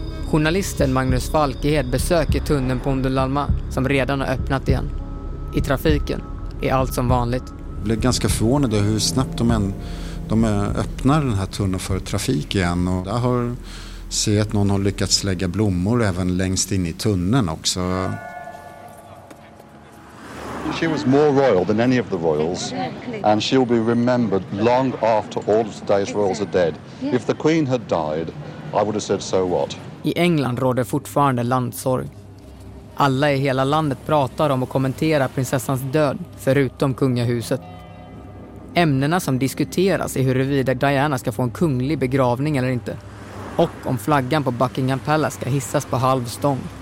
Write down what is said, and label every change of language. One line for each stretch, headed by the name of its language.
Swedish: Journalisten Magnus Falkehed besöker tunneln på Ondolalma som redan har öppnat igen. I trafiken är allt som vanligt. Jag blev ganska förvånad hur snabbt de öppnar den här tunneln för trafik igen, och där har sett att någon har lyckats lägga blommor även längst in i tunneln också.
English: She was more royal than any of the royals, and she'll be remembered long after all of today's royals are dead. If the queen had died, I would have said so what.
Swedish: I England råder fortfarande landsorg. Alla i hela landet pratar om och kommenterar prinsessans död förutom kungahuset. Ämnena som diskuteras är huruvida Diana ska få en kunglig begravning eller inte. Och om flaggan på Buckingham Palace ska hissas på halvstång.